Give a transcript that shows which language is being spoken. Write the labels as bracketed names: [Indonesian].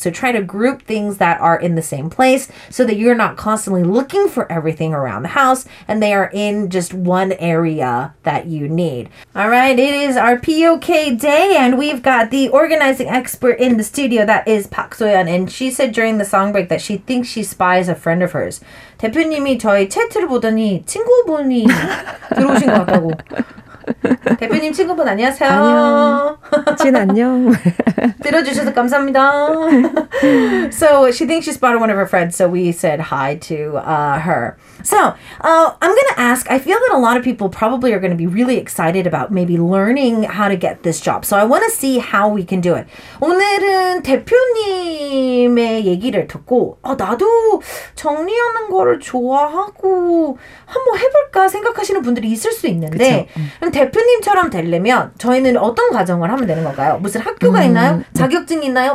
[English] So try to group things that are in the same place so that you're not constantly looking for everything around the house and they are in just one area that you need. All right. It is our POK day, and we've got the organizing expert in the studio, that is Park Soyeon, and she said during the song break that she thinks she spies a friend of hers. [Korean] 대표님이 저희 채트를 보더니 친구분이 들어오신 것 같다고. 대표님 친구분 안녕하세요. 안녕. 진 안녕. 들어주셔서 감사합니다. [English] So she thinks she spotted one of her friends, so we said hi to her. So I'm going to ask, I feel that a lot of people probably are going to be really excited about maybe learning how to get this job. So I want to see how we can do it. [Korean] 오늘은 대표님의 얘기를 듣고 나도 정리하는 거를 좋아하고 한번 해볼까 생각하시는 분들이 있을 수 있는데 대표님처럼 되려면 저희는 어떤 과정을 하면 되는 건가요? 무슨 학교가 있나요? 자격증이 있나요?